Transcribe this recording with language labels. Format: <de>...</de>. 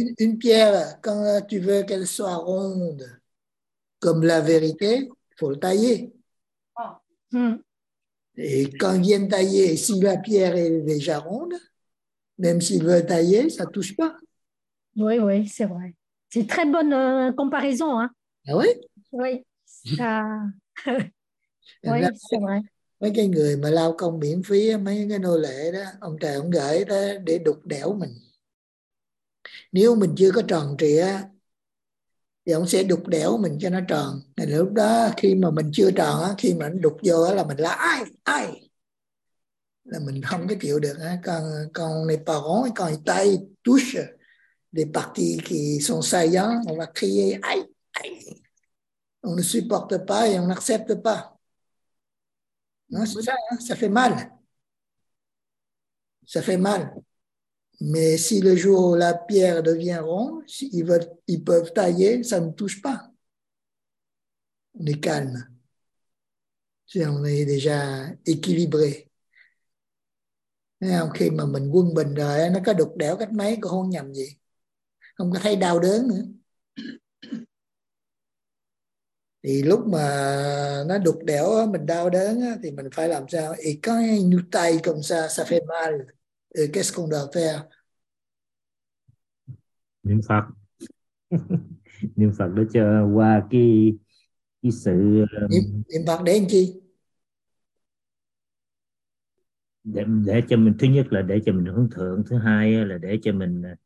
<fr>Une pierre, quand tu veux qu'elle soit ronde, comme la vérité, il faut le tailler. Oh. Hmm. Et quand ils viennent tailler, si la pierre est déjà ronde, même s'il veut tailler, ça ne touche pas. Oui, oui, c'est vrai. C'est une très bonne comparaison. Hein? Ah oui? Oui, ça... oui, c'est vrai.</fr> <vi>Mấy cái người mà lao công miễn phí, mấy cái nô lệ đó, ông trời ông gửi đó để đục đẽo mình. Nếu mình chưa có tròn trịa, thì ông sẽ đục đẽo mình cho nó tròn. Nên lúc đó, khi mà mình chưa tròn, khi mà đục vô là mình là ai, ai. Là mình không có chịu được hả? Còn</vi> <fr>les parents, quand ils taillent, ils touchent des parties qui sont saillantes, on va crier aïe, aïe. On ne supporte pas et on n'accepte pas. Non, c'est ça, hein? Ça fait mal. Ça fait mal. Mais si le jour où la pierre devient ronde, ils peuvent tailler, ça ne touche pas. On est calme. Si on est déjà équilibré.</fr> <vi>Khi mà mình quân bình rồi nó có đục đẽo cách mấy cũng không nhầm gì, không có thấy đau đớn nữa. Thì lúc mà nó đục đẽo mình đau đớn thì mình phải làm sao?</vi> <fr>Et quand il nous taille comme ça, ça fait mal. Et qu'est-ce qu'on doit faire?</fr> <vi>Niệm Phật. Niệm Phật để cho qua cái sự niệm Phật để làm chi? Để cho mình, thứ nhất là để cho mình hướng thượng, thứ hai là để cho mình</vi>